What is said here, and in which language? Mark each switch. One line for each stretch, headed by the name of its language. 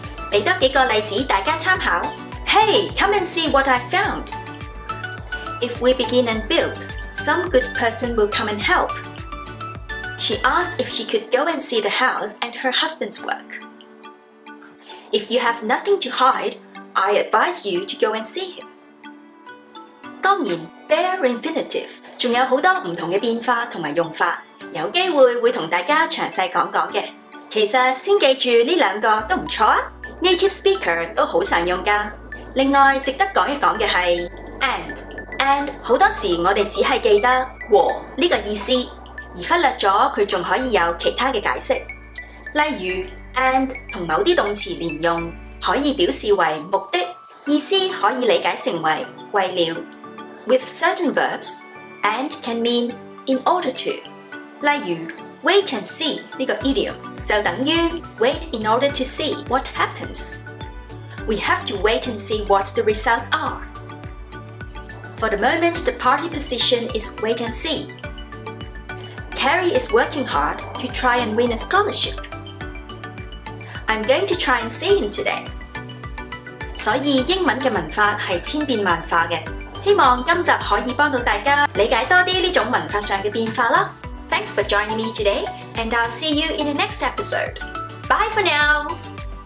Cantonese: 给多几个例子大家参考。
English: Hey, come and see what I found. If we begin and build, some good person will come and help. She asked if she could go and see the house and her husband's work. If you have nothing to hide, I advise you to go and see him.
Cantonese: 当然 bare infinitive 还有很多不同的变化和用法，有机会会同大家详细讲讲嘅。其实先记住呢两个都唔错啊 ，native speaker 都好常用噶。另外值得讲一讲嘅系 and 好多时我哋只系记得和呢个意思，而忽略咗佢仲可以有其他嘅解释。例如 and 同某啲动词连用，可以表示为目的，意思可以理解成为为了。
English: With certain verbs, and can mean in order to。例如 wait and see 这个 idiom 就等于 wait in order to see what happens. We have to wait and see what the results are. For the moment, the party position is wait and see. Carrie is working hard to try and win a scholarship. I'm going to try and see him today.
Cantonese: 所以英文的文法是千变万化的，希望今集可以帮到大家理解多些这种文法上的变化啦。
English: Thanks for joining me today, and I'll see you in the next episode. Bye for now!